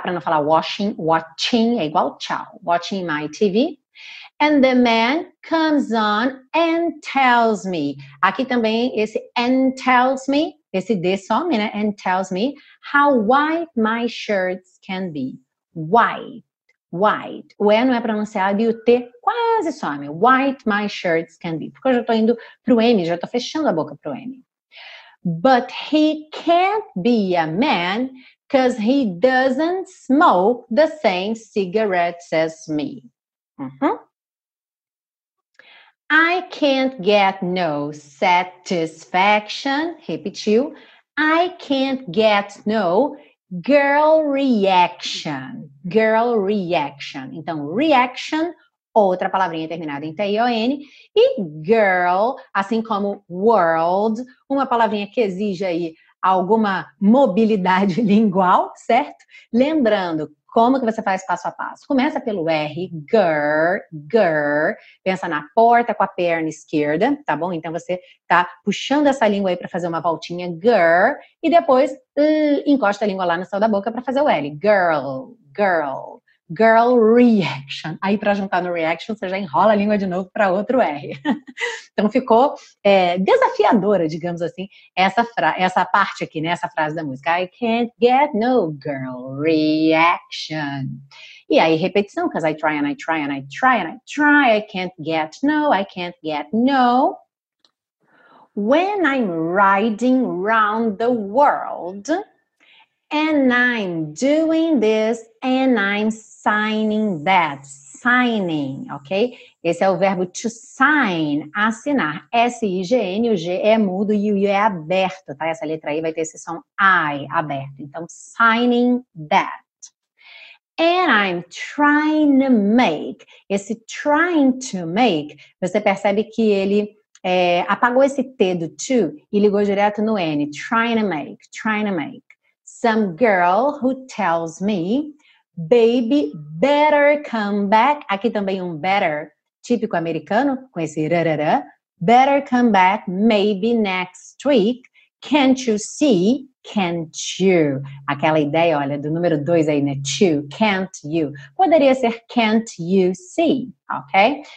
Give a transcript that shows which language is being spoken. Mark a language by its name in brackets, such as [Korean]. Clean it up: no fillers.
[Portuguese] Para não falar [English] washing, watching [Portuguese] é igual tchau, [English] watching my TV, and the man comes on and tells me, [Portuguese] aqui também esse [English] and tells me, [Portuguese] esse D some, né? [English] And tells me how white my shirts can be. [Portuguese] White, white. O E não é pronunciado e o T quase some. [English] White my shirts can be. [Portuguese] Porque eu já estou indo pro M, já estou fechando a boca pro M. [English] But he can't be a man because he doesn't smoke the same cigarettes as me. Uhum. I can't get no satisfaction, repetiu. I can't get no girl reaction. Girl reaction. [Portuguese] Então, reaction, outra palavrinha terminada em T-I-O-N. E girl, assim como world, uma palavrinha que exige aí alguma mobilidade lingual, certo? Lembrando, como que você faz passo a passo? Começa pelo R, girl, girl. Pensa na porta com a perna esquerda, tá bom? Então você tá puxando essa língua aí para fazer uma voltinha, girl. E depois encosta a língua lá no céu da boca para fazer o L. Girl, girl, Girl Reaction. Aí, para juntar no Reaction, você já enrola a língua de novo para outro R. Então, ficou desafiadora, digamos assim, essa parte aqui, né? Essa frase da música. [English] I can't get no girl reaction. [Portuguese] E aí, repetição, [English] because I try and I try and I try and I try. I can't get no, I can't get no. When I'm riding round the world, and I'm doing this, and I'm signing that. Signing, ok? [Portuguese] Esse é o verbo to sign, assinar. S-I-G-N, o G é mudo e o I é aberto, tá? Essa letra aí vai ter esse som I aberto. Então, signing that. [English] And I'm trying to make. [Portuguese] Esse trying to make, você percebe que ele apagou esse T do to e ligou direto no N. [English] Trying to make, trying to make. Some girl who tells me, baby, better come back. [Portuguese] Aqui também better, típico americano, com esse rarará. [English] Better come back, maybe next week. Can't you see? Can't you? [Portuguese] Aquela ideia, olha, do número 2 aí, né? [English] To, can't you. [Portuguese] Poderia ser [English] can't you see, ok?